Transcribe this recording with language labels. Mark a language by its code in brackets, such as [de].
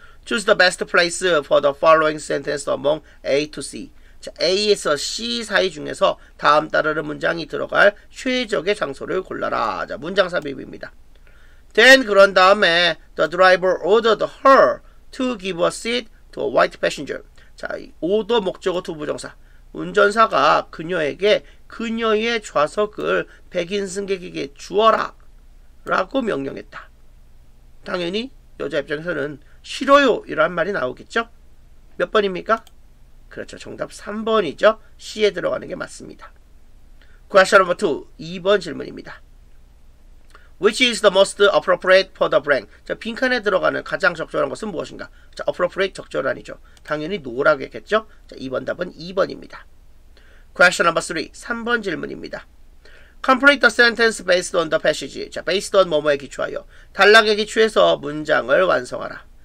[en] Choose the best place for the following sentence among A to C. [ko] 자, A에서 C 사이 중에서 다음 따르는 문장이 들어갈 최적의 장소를 골라라. 자, 문장 삽입입니다. [en] Then, [ko] 그런 다음에 [en] the driver ordered her to give a seat to a white passenger. [ko] 자, 오더 목적어 to 부정사. 운전사가 그녀에게 그녀의 좌석을 백인 승객에게 주어라 라고 명령했다. 당연히 여자 입장에서는 싫어요 이란 말이 나오겠죠. 몇 번입니까? 그렇죠. 정답 3번이죠. C에 들어가는 게 맞습니다. [en] Question number 2. [ko] 2번 질문입니다. [en] Which is the most appropriate for the brand? [ko] 자, 빈칸에 들어가는 가장 적절한 것은 무엇인가? 자, appropriate 적절한이죠. 당연히 노라겠죠? 자, 2번 답은 2번입니다. [en] Question number 3. [ko] 3번 질문입니다. [en] Complete the sentence based on the passage. 자, based on [ko] 뭐뭐에 기초하여. 단락에 기초해서 문장을 완성하라.